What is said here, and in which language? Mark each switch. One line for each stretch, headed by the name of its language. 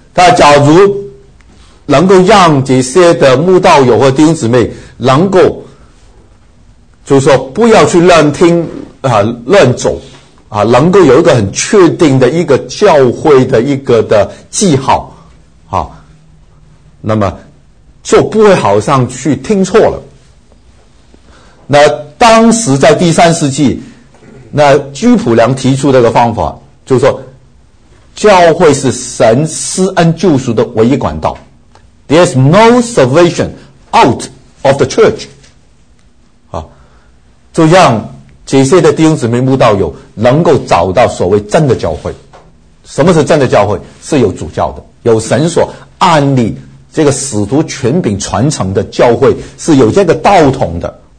Chinese: 但假如能够让这些的慕道友和弟兄姊妹能够就是说不要去乱听啊，乱走啊，能够有一个很确定的一个教会的一个的记号啊，那么就不会好像去听错了。那当时在第三世纪，那居普良提出这个方法，就是说教会是神施恩救赎的唯一管道。
English: There is no salvation out of the church.
Chinese: 啊，就让这些的弟兄姊妹慕道友能够找到所谓真的教会。什么是真的教会？是有主教的，有神所按立这个使徒权柄传承的教会，是有这个道统的。